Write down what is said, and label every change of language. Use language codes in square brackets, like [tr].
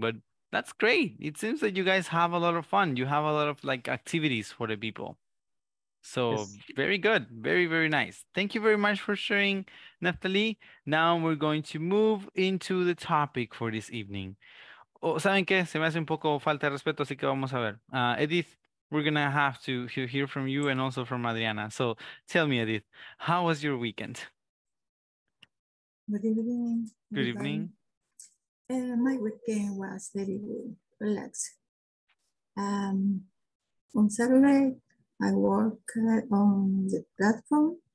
[en] But that's great. It seems that you guys have a lot of fun. You have a lot of like activities for the people. So yes. Very good. Very, very nice. Thank you very much for sharing, Neftali. Now we're going to move into the topic for this evening. [es] Oh, ¿saben qué? Se me hace un poco falta de respeto, así que vamos a ver. [en] Edith, we're going to have to hear from you and also from Adriana. So tell me, Edith, how was your weekend? Good evening. Good evening. My weekend was very relaxed. On Saturday, I work on the platform.